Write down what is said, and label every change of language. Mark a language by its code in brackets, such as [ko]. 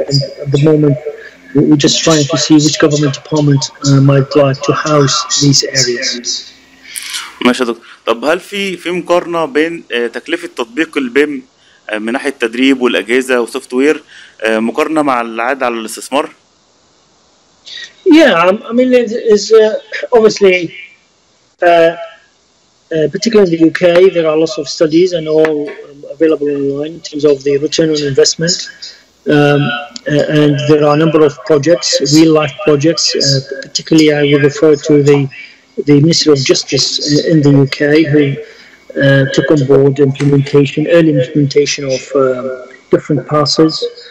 [en] And at the moment, we're just trying to see which government department might like to house these areas. [ar] ماشي يا دكتور. طب هل في مقارنة بين تكلفة تطبيق البيم من ناحية التدريب والأجهزة والسوفت وير مقارنة مع العائد على الاستثمار؟ [en] Yeah, I mean, it's obviously, particularly in the UK, there are lots of studies and all available online in terms of the return on investment. And there are a number of projects, real-life projects, particularly I would refer to the Minister of Justice in the UK, who took on board implementation, early implementation of different passes.